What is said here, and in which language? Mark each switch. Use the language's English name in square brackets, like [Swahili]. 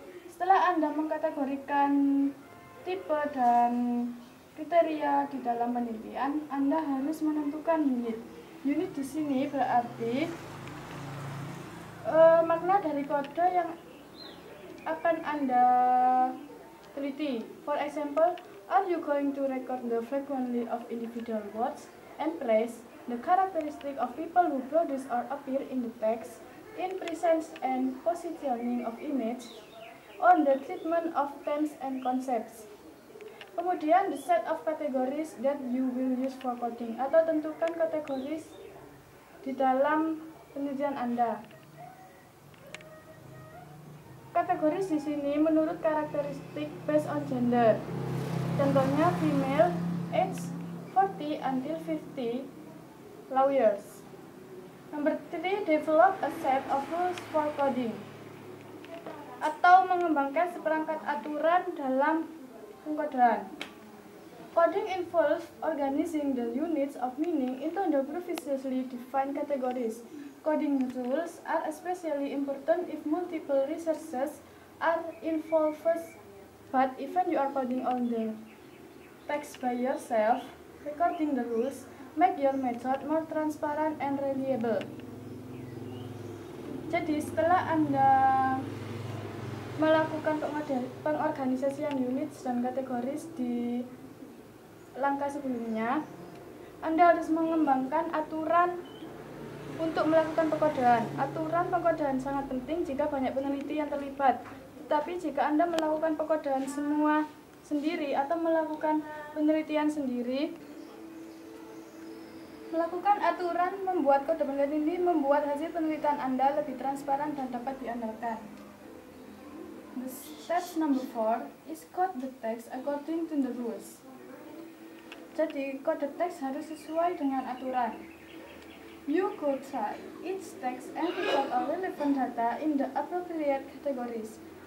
[Indonesian] Setelah Anda mengkategorikan tipe dan kriteria di dalam penelitian, Anda harus menentukan unit. Unit di sini berarti makna dari kode yang akan Anda teliti. [English] For example, are you going to record the frequency of individual words and phrases, the characteristic of people who produce or appear in the text, in presence and positioning of image, on the treatment of tense and concepts. Kemudian, the set of categories that you will use for coding, [Indonesian] atau tentukan kategori di dalam penelitian Anda. Kategori di sini menurut karakteristik [English] based on gender. Contohnya female age 40 until 50 lawyers. Number 3, develop a set of rules for coding. [Indonesian] Atau mengembangkan seperangkat aturan dalam pengkodean. [English] Coding involves organizing the units of meaning into the previously defined categories. Coding rules are especially important if multiple resources are involved, but even you are coding all the text by yourself, recording the rules make your method more transparent and reliable. [Indonesian] Jadi setelah Anda melakukan pengorganisasian units dan kategoris di langkah sebelumnya, Anda harus mengembangkan aturan untuk melakukan pengkodean. Aturan pengkodean sangat penting jika banyak peneliti yang terlibat. Tetapi jika Anda melakukan pengkodean semua sendiri atau melakukan penelitian sendiri, melakukan aturan membuat kode pengganti ini membuat hasil penelitian Anda lebih transparan dan dapat diandalkan. [English] The step number 4 is code the text according to the rules. [Indonesian] Jadi, kode teks harus sesuai dengan aturan. [English] You could try each text and put all relevant data in the appropriate categories.